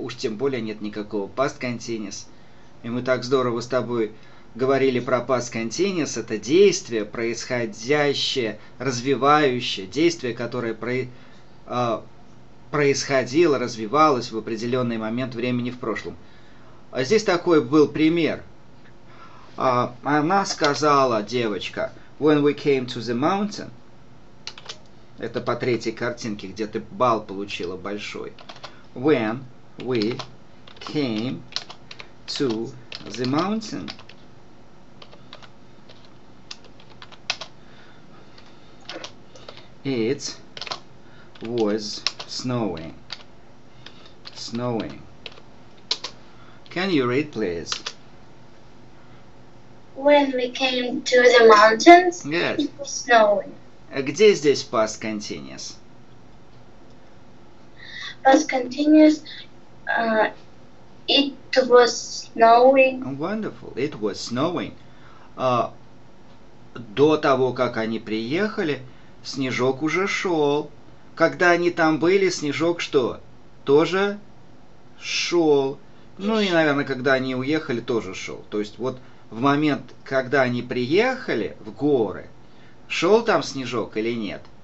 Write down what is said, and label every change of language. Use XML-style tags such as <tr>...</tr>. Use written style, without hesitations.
<ru>Уж тем более нет никакого past continuous. И мы так здорово с тобой говорили про past continuous. Это действие, происходящее, развивающее. Действие, которое происходило, развивалось в определенный момент времени в прошлом. А здесь такой был пример. Она сказала, девочка,</ru> <en>when we came to the mountain,</en> <ru>это по третьей картинке, где ты бал получила большой,</ru> <en>when we came to the mountain, it was snowing, snowing. Can you read, please? When we came to the mountains, yes. It was snowing.</en> <ru>Где здесь past continuous?</ru> <en>Past continuous, it was snowing. Wonderful, it was snowing.</en> <ru>До того, как они приехали, снежок уже шел. Когда они там были, снежок что? Тоже шел. Ну и, наверное, когда они уехали, тоже шел. То есть вот в момент, когда они приехали в горы, шел там снежок или нет?</ru>